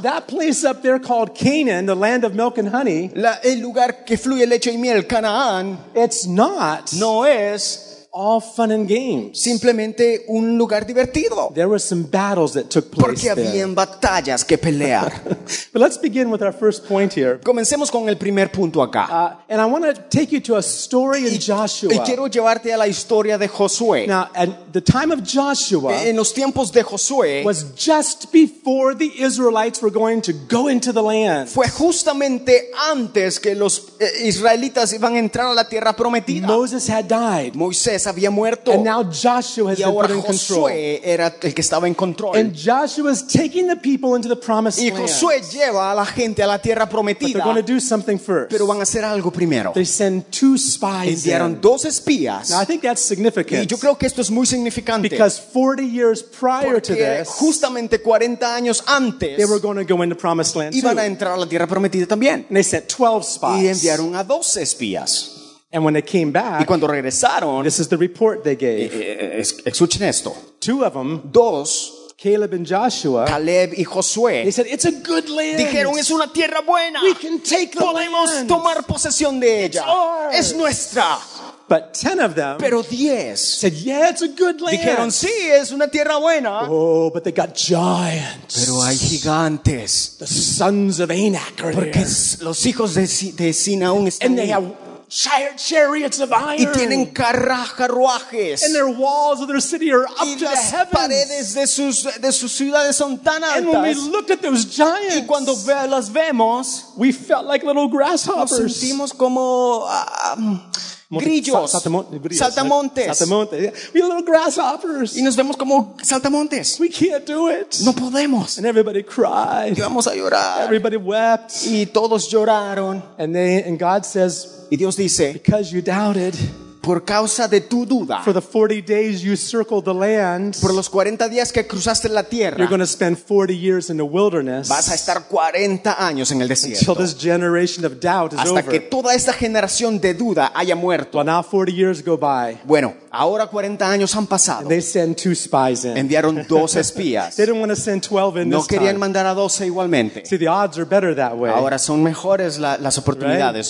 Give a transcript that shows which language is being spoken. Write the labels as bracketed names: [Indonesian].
[English] That place up there called Canaan, the land of milk and honey. [Spanish] El lugar que fluye leche y miel, Canaán. [English] It's not. [Spanish] No es. [English] All fun and games. [Spanish] Simplemente un lugar divertido. [English] There were some battles that took place. [Spanish] Porque habían Batallas que pelear. [English] But let's begin with our first point here. [Spanish] Comencemos con el primer punto acá. [English] And I want to take you to a story in Joshua. [Spanish] Y quiero llevarte a la historia de Josué. [English] Now, at the time of Joshua, [Spanish] en los tiempos de Josué, [English] was just before the Israelites were going to go into the land. [Spanish] Fue justamente antes que los israelitas iban a entrar a la tierra prometida. [English] Moses had died. [Spanish] Moisés había muerto. [English] And now Joshua has [Spanish] y ahora [English] been put in [Spanish] Josué [English] control. [Spanish] Era el que estaba en control. [English] And Joshua is taking the people into the promised [Spanish] y Josué [English] land. [Spanish] Lleva a la gente a la tierra prometida. [English] But they're going to do something first. [Spanish] Pero van a hacer algo primero. [English] They send two spies. [Spanish] Enviaron dos espías. [English] Now I think that's significant. [Spanish] Y yo creo que esto es muy significante. [English] Because 40 years prior [Spanish] porque [English] to this, [Spanish] justamente 40 años antes, [English] they were going to go into promised land [Spanish] iban [English] too. [Spanish] A entrar a la tierra prometida también. [English] And they sent 12 spies. [Spanish] Y enviaron a 12 espías. [English] And when they came back, [Spanish] y cuando regresaron, [English] this is the report they gave. [Spanish] Escuchen esto. [English] Two of them, [Spanish] dos, [English] Caleb and Joshua, [Spanish] Caleb y Josué, [English] they said, it's a good land. [Spanish] Dijeron, es una tierra buena. [English] We can take the [Spanish] podemos [English] land. [Spanish] Tomar posesión de ella. [English] It's ours. [Spanish] Es nuestra. [English] But 10 of them, [Spanish] pero 10, [English] said, yeah, it's a good land. [Spanish] Dijeron, sí, es una tierra buena. [English] Oh, but they got giants. [Spanish] Pero hay gigantes. [English] The sons of Anak are [Spanish] porque [English] there. [Spanish] Los hijos de Sinaún están [English] and they Have chariots of iron. [Spanish] Y tienen carruajes. [English] And their walls of their city are up to the heavens. [Spanish] Y las paredes de sus ciudades son tan altas. [English] And when we looked at those giants, [Spanish] y cuando las vemos, [English] we felt like little grasshoppers. [Spanish] Nos sentimos como grillos, [English] saltamontes. We are little grasshoppers. [Spanish] Y nos vemos como saltamontes. [English] We can't do it. [Spanish] No podemos. [English] And everybody cried. [Spanish] Y vamos a llorar. [English] Everybody wept. [Spanish] Y todos lloraron. [English] And God says, [Spanish] y Dios dice, [English] because you doubted, [Spanish] por causa de tu duda, [English] for the 40 days you circled the land, [Spanish] por los 40 días que cruzaste la tierra, [English] you're going to spend 40 years in the wilderness, [Spanish] vas a estar 40 años en el desierto, [English] until this generation of doubt is [Spanish] hasta [English] over, [Spanish] hasta que toda esta generación de duda haya muerto. [English] Well, now 40 years go by. [Spanish] Bueno, ahora 40 años han pasado. [English] And they send two spies in. [Spanish] Enviaron dos espías. [English] They didn't want to send 12 in [Spanish] no [English] this [Spanish] querían [English] time. [Spanish] Mandar a 12 igualmente. [English] See, the odds are better that way. [Spanish] Ahora son mejores las oportunidades,